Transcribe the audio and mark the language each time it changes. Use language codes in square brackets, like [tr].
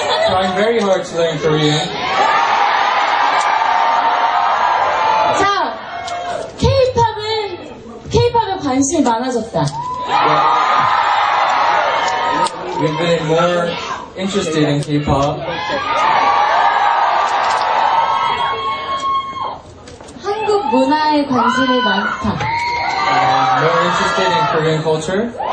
[en] Trying very hard to learn Korean. [ko] 자, K-pop은 K-pop에 관심이 많아졌다. [en] We've been more interested in K-pop. [ko] 한국 문화에 관심이 많다. [en] More interested in Korean culture?